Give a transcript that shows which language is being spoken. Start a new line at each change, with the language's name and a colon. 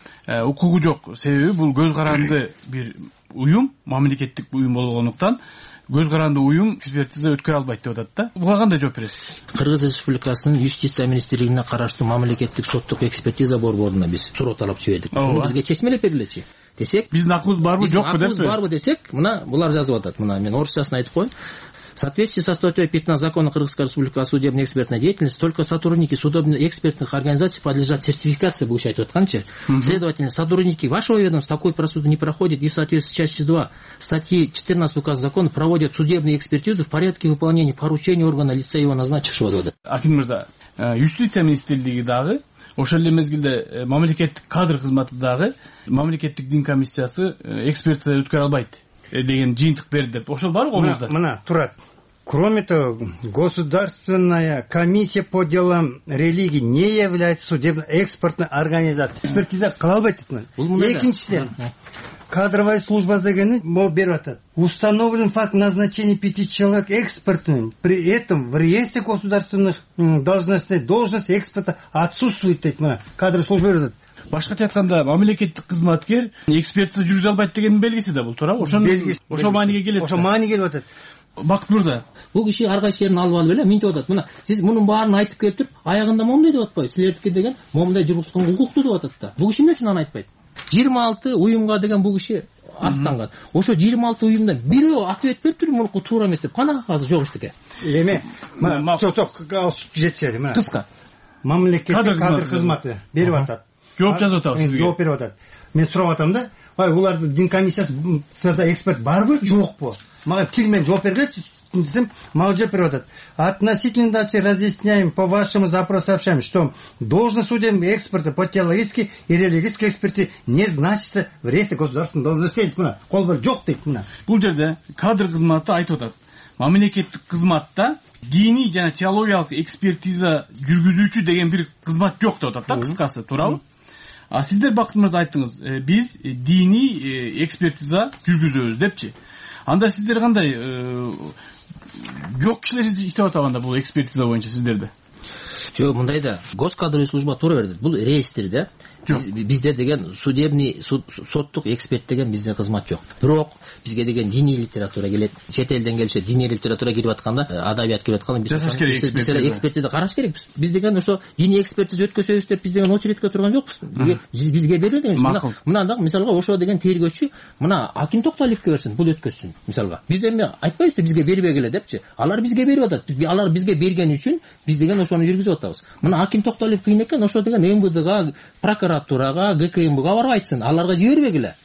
Kyrgyz: укугу жок. Себеби бул көз каранды бир уюм, мамлекеттик уюм болгондуктан көз каранды уюм экспертиза өткөрө албайт деп атат да. Буга кандай жооп бересиз? Кыргыз Республикасынын юстиция министрлигине караштуу мамлекеттик соттук экспертиза борборуна биз суроо талап жибердик. Ооба. Бизге чечмелеп бергилечи. Десек, биздин акыбыз барбы, жокпу депчи? Акыбыз барбы десек, мына булар жазып атат. Мына мен орусчасын айтып коём.
Russian: В соответствии со статьей 15 закона Кыргызской Республики о судебной экспертной деятельности, только сотрудники судебно-экспертных организаций подлежат сертификации, получать отканчи. Следовательно, сотрудники вашего ведомства такой процедуры не проходят и в соответствии с частью 2 статьи 14 указа закона проводят судебные экспертизы в порядке выполнения поручений органа лица его назначившего.
Kyrgyz: Акин Мырза, юстиция министрлиги дагы, ошол эле мезгилде мамлекеттик кадр кызматы дагы, мамлекеттик дин комиссиясы экспертиза өткөрө албайт деген жыйынтык берди деп ошол бар го колубузда. Мына турат.
Russian: Кроме того, Государственная комиссия по делам религии не является судебно-экспертной организацией.
Kyrgyz: Экспертиза кыла албайт деп мына. Экинчиден, кадровая служба дегени могу берип атат.
Russian: Установлен факт назначения 5 человек экспертным. При этом в реестре государственных должностей должность эксперта отсутствует
Kyrgyz: деп мына.
Russian: Кадровая служба
Kyrgyz: берип атат. Башкача айтканда мамлекеттик кызматкер экспертиза жүргүзө албайт дегендин белгиси да бул, туурабы? Ошон белгиси. Ошол мааниге келет. Ошол маани келип атат. Бакыт мырза, бул киши ар кайсы жерин алып алып эле минтип атат. Мына сиз мунун баарын айтып келип туруп, аягында момундай деп атпайбы? Силердики деген момундай жүргүзгөн укуктуу деп атат да. Бул киши эмне үчүн аны айтпайт? 26 уюмга деген бул киши арызданган. Ошо 26 уюмдан бирөө ответ берип туруп, мунуку туура эмес деп. Канага азыр жок иштике. Эми жок, жетишери мына. Кыска. Мамлекеттик кадр кызматы берип атат. Жооп жазып атабыз сизге. Жооп берип атат. Мен сурап атам да, ай, булардын дин комиссиясы сизде эксперт барбы, жокпу? Мага тил менен жооп бергилечи десем, мага жооп берип атат.
Russian: Относительно дачи разъясняем по вашему запросу сообщаем, что должность судебного эксперта по теологической и религиозной экспертизе не значится в реестре государственных должностей.
Kyrgyz: Мына кол бар жок дейт мына. Бул жерде кадр кызматы айтып атат. Мамлекеттик кызматта диний жана теологиялык экспертиза жүргүзүүчү деген бир кызмат жок деп атат да, кыскасы, туурабы? А сиздер Бакыт мырза айттыңыз, биз диний экспертиза жүргүзөбүз депчи. Анда сиздер кандай жок кишилерсиз иштеп атабыз анда бул экспертиза боюнча сиздерде? Жок, мындай да, госкадровая служба туура берди. Бул реестр да. Бизде деген судебный соттук эксперт деген бизде кызмат жок. Бирок бизге деген диний литература келет. Чет элден келсе диний литература кирип атканда, адабият кирип атканда биз экспертиза караш керекпиз. Биз деген ошо диний экспертиза өткөзөбүз деп биз деген очередке турган жокпуз. Бизге берди деген. Мына мисалга ошо деген тергөөчү мына Акин Токтолевке берсин, бул өткөзсүн мисалга. Биз эми айтпайбызбы бизге бербеги эле депчи? Алар бизге берип атат. Алар бизге берген үчүн биз деген ошону жүргүзүп атабыз. Мына Акин Токтолев кыйын экен, ошо деген МВДга, прокуратурага, ГКМБга барып айтсын. Аларга жибербеги эле.